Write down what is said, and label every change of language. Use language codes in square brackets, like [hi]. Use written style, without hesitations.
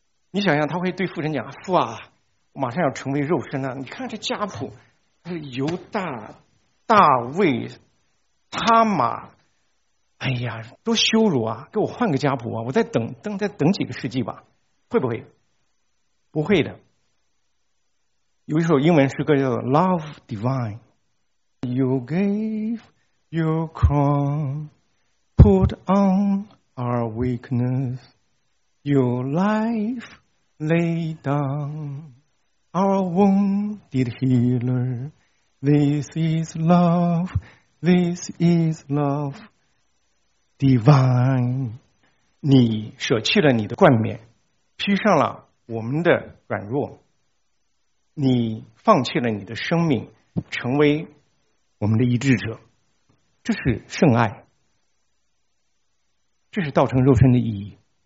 [zh] 你想想，他会对父神讲，父啊，我马上要成为肉身了，你看这家谱，犹大、大卫、他玛，哎呀，多羞辱啊，给我换个家谱啊，我再等等，再等几个世纪吧。会不会？不会的。有一首英文诗歌叫做 Love Divine。 [en] You gave your crown, put on our weakness. Your life laid down, our wounded healer. This is love, this is love divine. [zh] 你舍弃了你的冠冕，披上了我们的软弱。你放弃了你的生命，成为我们的医治者，这是圣爱，这是道成肉身的意义。